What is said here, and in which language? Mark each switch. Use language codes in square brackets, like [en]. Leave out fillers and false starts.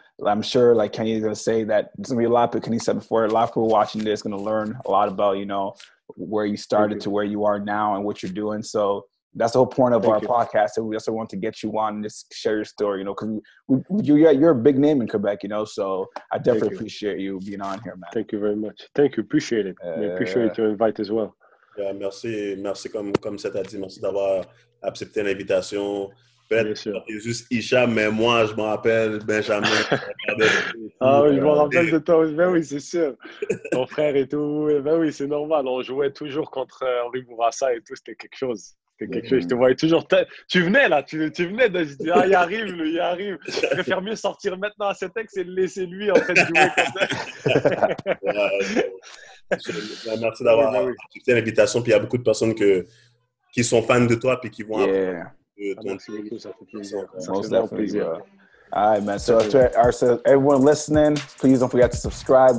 [en] I'm sure, like Kenny is going to say that there's going to be a lot, but Kenny said before, a lot of people watching this are going to learn a lot about, you know, where you started to where you are now and what you're doing. So that's the whole point of our podcast. And we also want to get you on and just share your story, you know, because you're a big name in Quebec, you know, so I definitely appreciate you being on here, man. Thank you very much. Thank you. Appreciate it. I appreciate your invite as well. [fr] Yeah, merci. Comme ça t'a dit, merci d'avoir accepté l'invitation. C'est juste Isha, mais moi, je m'en rappelle Benjamin. Je m'en rappelle de toi. Ben oui, c'est sûr. Ton frère et tout. Ben oui, c'est normal. On jouait toujours contre Henri Bourassa et tout. C'était quelque chose. Je te voyais toujours. Tu venais là. Je dis, ah, il arrive. Je préfère mieux sortir maintenant à cet ex et le laisser lui, en fait, jouer comme ça. Ouais, merci d'avoir accepté l'invitation. Puis il y a beaucoup de personnes qui sont fans de toi et qui vont apprendre. [en] Most definitely. All right, man. So, to everyone listening, please don't forget to subscribe.